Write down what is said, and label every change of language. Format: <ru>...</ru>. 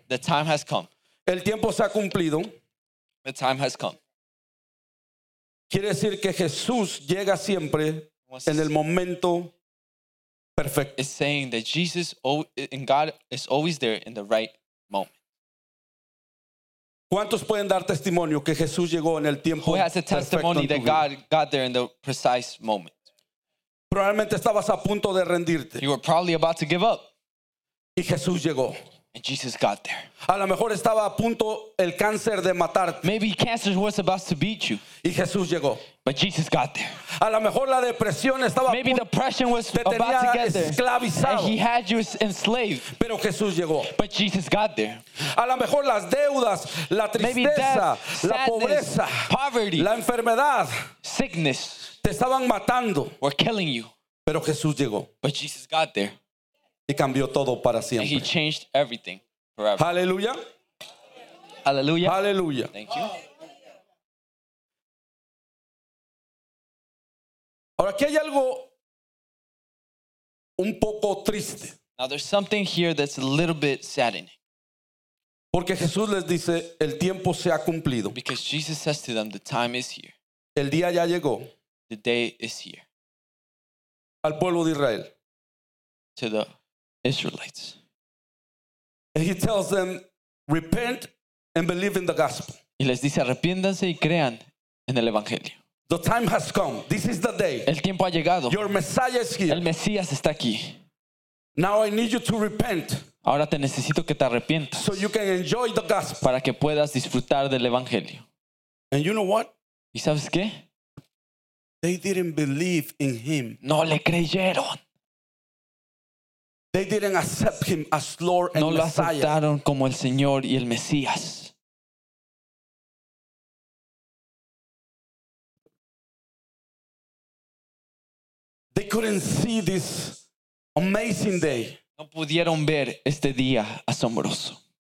<en>the time has come.</en> <es>El tiempo se ha cumplido,</es> <en>the time has come.</en> <es>Quiere decir que Jesús llega siempre en el momento</es> <en>Perfect. Is saying that Jesus and God is always there in the right moment.</en> <es>¿Cuántos pueden dar testimonio que Jesús llegó en el tiempo</es> <en>Who has a testimony that God got there in the precise moment?</en> <es>Probablemente estabas a punto de rendirte.</es> <en>You were probably about to give up.</en> <es>Y Jesús llegó.</es> <en>And Jesus got there.</en> <es>A lo mejor estaba a punto el cáncer de matarte.</es> <en>Maybe cancer was about to beat you.</en> <es>Y Jesús llegó.</es> <en>But Jesus got there.</en> <es>A lo mejor la depresión estaba</es> <en>maybe depression was</en> <es>te</es> <en>about to get there.</en> <es>Esclavizado.</es> <en>And he had you enslaved.</en> <es>Pero Jesús llegó.</es> <en>But Jesus got there.</en> <es>A lo mejor las deudas, la tristeza,</es> <en>maybe death,</en> <es>la</es> <en>sadness,</en> <es>pobreza,</es> <en>poverty,</en> <es>la enfermedad,</es> <en>sickness,</en> <es>te estaban matando.</es> <en>Were killing you.</en> <es>Pero Jesús llegó.</es> <en>But Jesus got there.</en> <es>Y cambió todo para siempre.</es> <en>And he changed everything forever. Hallelujah. Hallelujah. Hallelujah. Thank you.</en> <es>Ahora aquí hay algo un poco triste.</es> <en>Now there's something here that's a little bit saddening.</en> <es>Porque Jesús les dice, el tiempo se ha cumplido.</es> <en>Because Jesus says to them, the time is here.</en> <es>El día ya llegó.</es> <en>The day is here.</en> <es>Al pueblo de Israel.</es> <en>To the Israelites. And he tells them, repent and believe in the gospel.</en> <es>Y les dice, arrepiéndanse y crean en el evangelio.</es> <en>The time has come. This is the day.</en> <es>El tiempo ha llegado.</es> <en>Your Messiah is here.</en> <es>El Mesías está aquí.</es> <en>Now I need you to repent.</en> <es>Ahora te necesito que te arrepientas.</es> <en>So you can enjoy the gospel.</en> <es>Para que puedas disfrutar del evangelio.</es> <en>And you know what?</en> <es>¿Y sabes qué?</es> <en>They didn't believe in him.</en> <es>No le creyeron.</es> <en>They didn't accept him as Lord and Messiah.</en> <es>No lo aceptaron como el Señor y el Mesías.</es> <en>They couldn't see this amazing day.</en> <es>No pudieron ver este día asombroso.</es>